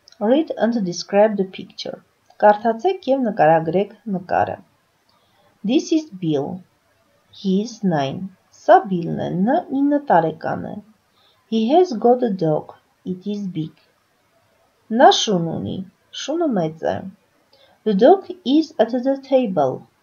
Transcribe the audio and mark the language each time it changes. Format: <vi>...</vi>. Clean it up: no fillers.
<en>Read and describe the picture.</en> <hy>Կարդացեք և նկարագրեք նկարը.</hy> <en>This is Bill. He is 9.</en> <hy>Սա Bill-ն է, նա 9 տարեկան է.</hy> <en>He has got a dog. It is big.</en> <hy>Նա շուն ունի. Շունը մեծ է.</hy> <en>The dog is at the table.</en>